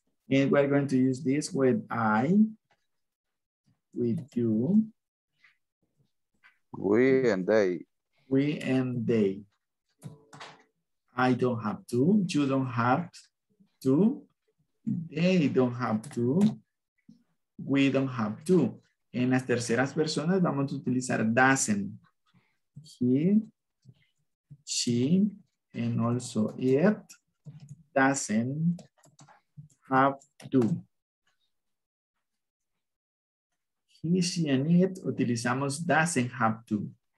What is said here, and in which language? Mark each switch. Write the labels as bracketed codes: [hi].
[en] And we're going to use this with I, with you. We and they. We and they. I don't have to, you don't have to, they don't have to, we don't have to. [es] En las terceras personas vamos a utilizar doesn't. [en] He, she, and also it doesn't have to. He, she, and it utilizamos doesn't have to.